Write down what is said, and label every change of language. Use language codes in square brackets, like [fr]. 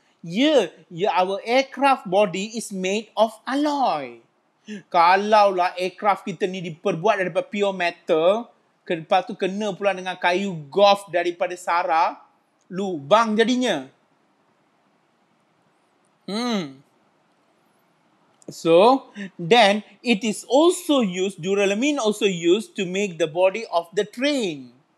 [en] Yeah, our aircraft body is made of alloy. [ms] Kalaulah aircraft kita ni diperbuat daripada pure metal, lepas tu kena pula dengan kayu golf daripada Sara, lubang jadinya. [en] So, then it is also used, duralumin also used to make the body of the train.